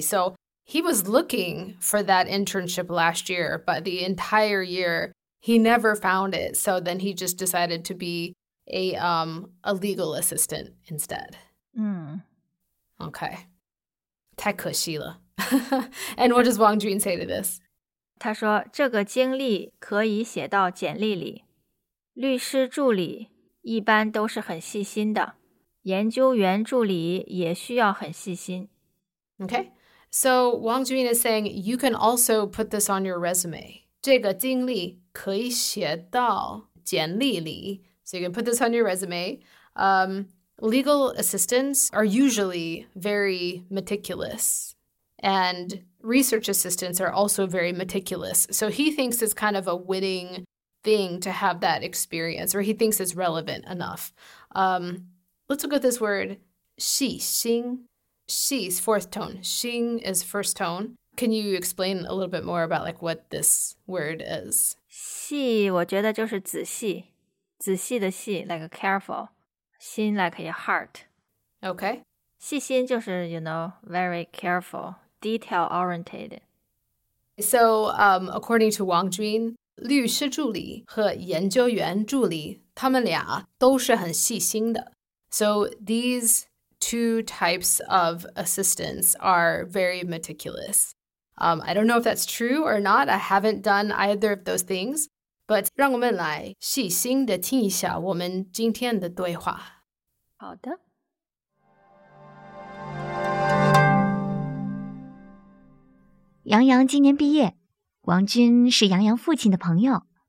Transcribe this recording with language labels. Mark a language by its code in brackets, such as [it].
[en] So he was looking for that internship last year, but the entire year he never found it. So then he just decided to be a legal assistant instead. Okay. [zh] 太可惜了。 [en] And what does Wang Jun say to this? [zh] 他说这个经历可以写到简历里。律师助理一般都是很细心的，研究员助理也需要很细心。 [en] Okay, so Wang Jun is saying you can also put this on your resume. [zh] 这个经历可以写到简历里。 [en] So you can put this on your resume. Legal assistants are usually very meticulous. And research assistants are also very meticulous. So he thinks it's kind of a winning... thing to have that experience, or he thinks it's relevant enough. Let's look at this word, 细心. 细 is fourth tone. 心 is first tone. Can you explain a little bit more about like what this word is? [zh] 细我觉得就是仔细。仔细的细 [en] like careful. 心 like your heart. Okay. [zh] 细心就是, [en] you know, very careful, detail oriented. So, according to Wang Jun, [zh] 律师助理和研究员助理他们俩都是很细心的。 [en] So these two types of assistants are very meticulous. I don't know if that's true or not. I haven't done either of those things. [zh] But 让我们来细心地听一下我们今天的对话。好的。杨洋今年毕业。王军是杨洋父亲的朋友。